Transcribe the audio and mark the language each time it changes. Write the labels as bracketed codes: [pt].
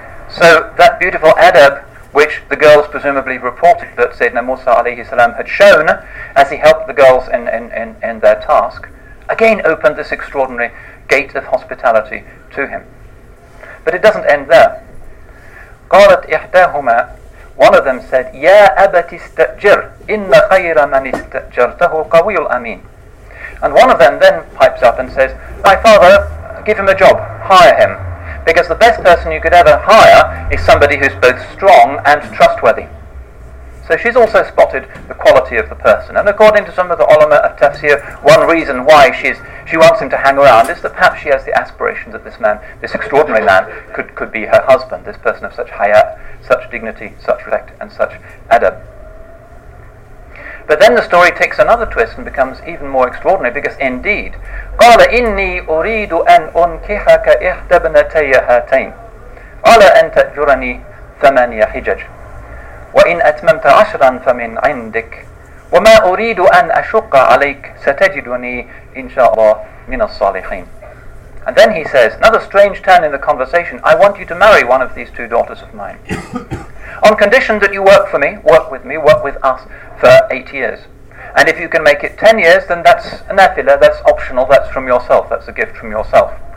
[en] So that beautiful adab, which the girls presumably reported that Sayyidina Musa alayhi salam had shown as he helped the girls in their task, again opened this extraordinary gate of hospitality to him. But it doesn't end there. [ar] قَالَتْ إِحْدَاهُمَا, [en] one of them said, [ar] يَا أَبَتِ اسْتَأْجِرْ إِنَّ خَيْرَ مَنِ اسْتَأْجَرْتَهُ الْقَوِيُّ الْأَمِينَ. [en] And one of them then pipes up and says, my father, give him a job, hire him, because the best person you could ever hire is somebody who's both strong and trustworthy. So she's also spotted the quality of the person. And according to some of the ulama of tafsir, one reason why she wants him to hang around is that perhaps she has the aspiration that this man, this extraordinary man, could be her husband, this person of such haya, such dignity, such respect, and such adab. But then the story takes another twist and becomes even more extraordinary, because indeed, [ar] قَالَ إِنِّي أُرِيدُ أَنْ أُنْكِحَكَ إِحْدَى بْنَتَيَّ هَاتَيْنِ عَلَى أَنْ تَأْجُرَنِي ثَمَانِيَ حِجَجٍ وَإِنْ أَتْمَمْتَ عَشْرًا فَمِنْ عِنْدِكَ وَمَا أُرِيدُ أَنْ أَشُقَّ عَلَيْكَ سَتَجِدُنِي إِنْ شَاءَ اللَّهُ مِنَ الصَّالِحِينَ. [en] And then he says, another strange turn in the conversation, I want you to marry one of these two daughters of mine, on condition that you work for me, work with me, work with us for 8 years. And if you can make it 10 years, then that's nafila, that's optional, that's from yourself, that's a gift from yourself.